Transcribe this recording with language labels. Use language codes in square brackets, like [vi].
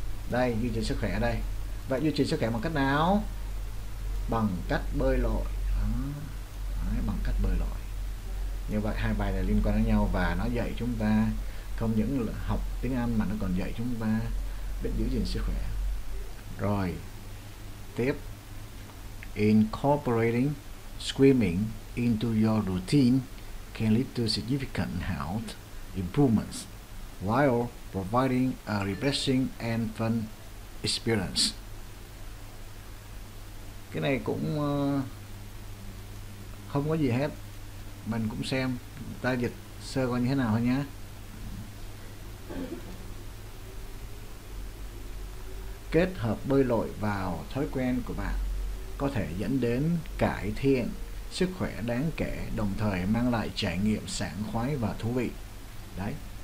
[vi] Đây duy trì sức khỏe ở đây. Vậy duy trì sức khỏe bằng cách nào? Bằng cách bơi lội. Đấy, bằng cách bơi lội. Như vậy hai bài này liên quan đến nhau và nó dạy chúng ta không những là học tiếng Anh mà nó còn dạy chúng ta biết giữ gìn sức khỏe. Rồi tiếp, [en] incorporating swimming into your routine can lead to significant health improvements while providing a refreshing and fun experience. [vi] Cái này cũng không có gì hết, mình cũng xem ta dịch sơ qua như thế nào thôi nhé. Kết hợp bơi lội vào thói quen của bạn có thể dẫn đến cải thiện sức khỏe đáng kể, đồng thời mang lại trải nghiệm sảng khoái và thú vị. Đấy,